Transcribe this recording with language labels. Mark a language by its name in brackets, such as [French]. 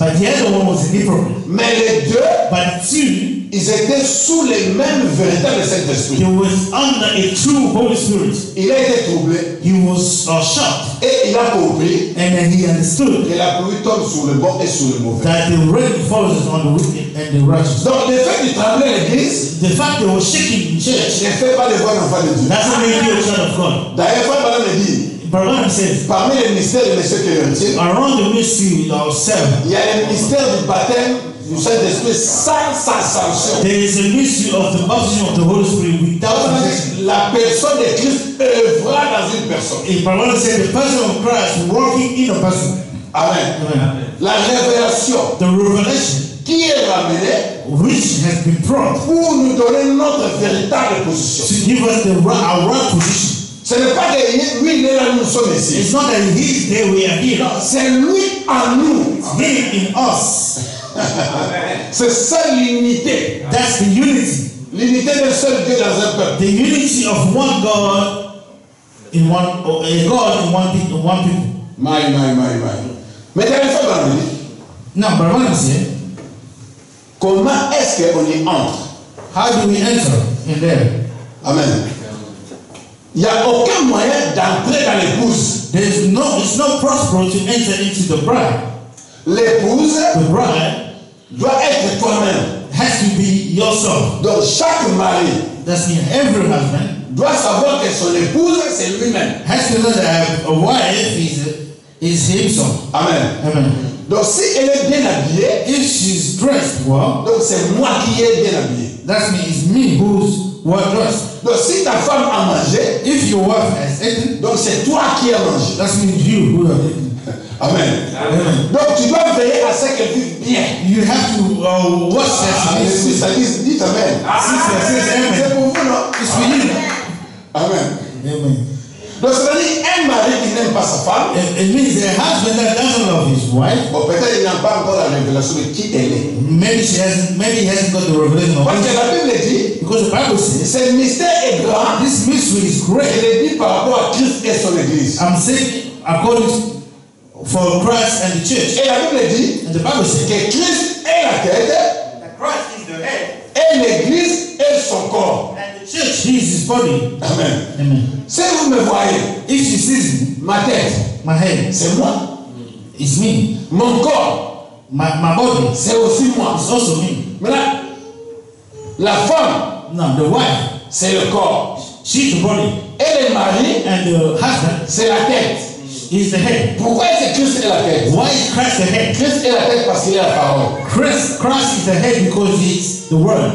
[English] But the other one was a hypocrite. [French] Mais les deux, [English] but two, [French] ils étaient sous les mêmes véritables Saint-Esprit. [English] He was under a true Holy Spirit. [French] Il a été troublé. [English] He was shocked. [French] Et il a compris. [English] And then he understood. [French] Que la pluie tombe sur le bon et sur le mauvais. [English] That the rain falls on the wicked and the righteous. [French] Donc le fait qu'il tremblait l'église, [English] the fact they were shaking in church, [French] ne fait pas de bon enfant de Dieu. [English] That's not making you a child of God. [French] D'ailleurs, Frère Branham le dit. [English] Branham says, [French] parmi les mystères de ce qu'il retient, [English] around the mystery with ourselves, [French] il y a le mystère du baptême. Vous savez, l'esprit sans sanction. [English] There is a mystery of the baptism of the Holy Spirit without sanction. [French] La personne de Christ œuvra dans une personne. [English] In Paul says the person of Christ working in a person. [French] Amen. [English] Amen. [French] La révélation. [English] The revelation. [French] Qui est ramenée? [English] Which has been brought. [French] Pour nous donner notre véritable position. [English] To give us our right position. [French] Ce n'est pas que lui il est là, nous sommes ici. [English] It's not that he is there, we are here. [French] Non, c'est lui en nous. [English] Amen. He in us. [French] C'est ça l'unité. [English] That's the unity. [French] L'unité d'un seul Dieu dans un peuple. [English] The unity of one God in one, or a God in one people. One people. [French] My. Mais t'as fait quoi, lui? [English] Non, Brahman said. [French] Comment est-ce qu'on y entre? [English] How do we enter in there? Amen. [French] Il y a aucun moyen d'entrer dans l'épouse. [English] There's no, it's not possible to enter into the bride. [French] L'épouse, [English] the bride, [French] doit être toi-même. [English] has to be your son. [French] Donc chaque mari, [English] that's in every husband, [French] doit savoir que son épouse est lui-même. [English] Has to know that a wife is himself. [French] Amen. [English] Amen. [French] Donc si elle est bien habillée, [English] if she's dressed well, [French] donc c'est moi qui ai bien habillé. [English] That means it's me who's well dressed. [French] Donc si ta femme a mangé, [English] if your wife has eaten, [French] donc c'est toi qui as mangé. [English] That means you who have eaten. [French] Amen. [English] Amen. [French] Donc tu dois veiller à ce qu'elle vive bien. [English] You have to watch her. [French] Dites amen. [English] Amen. [French] C'est pour vous, non? [English] It's for you. [French] Amen. [English] Amen. [French] Donc ça veut dire un mari qui n'aime pas sa femme. [English] It means a husband that doesn't love his wife. [French] Bon, peut-être il n'a pas encore la révélation de qui elle est. [English] Maybe he hasn't got the revelation of. [French] Parce que la Bible dit. [English] Because the Bible says. [French] Ce mystère est grand. [English] This mystery is great. [French] Je l'ai dit par rapport à Christ et son Église. [English] I'm saying according to for Christ and the church. [French] Et la Bible dit, [English] and the Bible says, [French] que Christ est la tête, [English] that Christ is the head, [French] et l'Église est son corps, [English] and the church is his body. [French] Amen. [English] Amen. [French] Si vous me voyez, [English] if she sees me, [French] ma tête, [English] my head, [French] c'est moi. [English] It's me. [French] Mon corps, [English] my body, [French] c'est aussi moi. [English] It's also me. [French] Mais la femme, [English] no, the wife, [French] c'est le corps. [English] She's the body. [French] Et le mari, [English] and the husband, [French] c'est la tête. [English] He's the head. [French] Pourquoi est-ce que Christ est la tête? [English] Why is Christ the head? [French] Christ est la tête parce qu'il est la parole. [English] Christ is the head because he is the word.